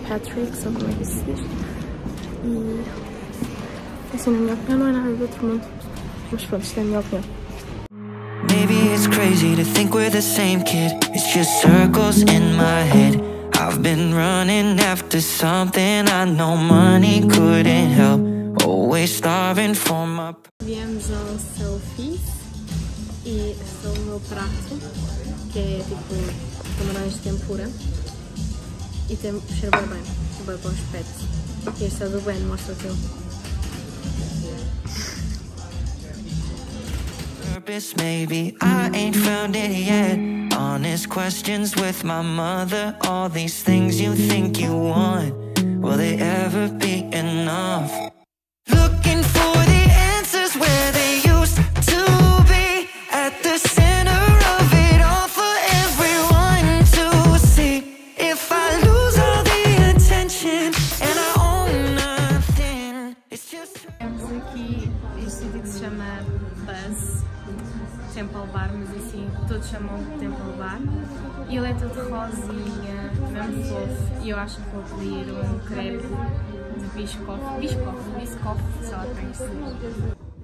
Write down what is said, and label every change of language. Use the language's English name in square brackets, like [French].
[Portuguese] Patrick's, ou como é que se diz. E assim, na minha opinião, não é nada do outro mundo. Mas pronto, isto é a minha opinião. [English] Maybe it's crazy to think we're the same kid. It's just circles in my head. I've been running after something I know money couldn't help. Always starving for my. [Portuguese] Viemos ao Selfies e estou no meu prato. Que é tipo camarões de tempura e tem cheiro bem, bem, bem bom aspecto. E este é do Ben, mostra o teu. [English] Maybe I ain't found it yet. Honest questions with my mother. All these things you think you want, will they ever be enough? Looking for the answers where they used to be. At the center of it all for everyone to see. If I lose all the attention and I own nothing, it's just. [Portuguese] Temos aqui este vídeo que se chama Buzz Temple Bar, mas assim, todos chamam de Temple Bar. E ele é todo rosinha, mesmo fofo. E eu acho que vou pedir um crepe de Biscoff. Biscoff, Biscoff, sei lá como é que se diz.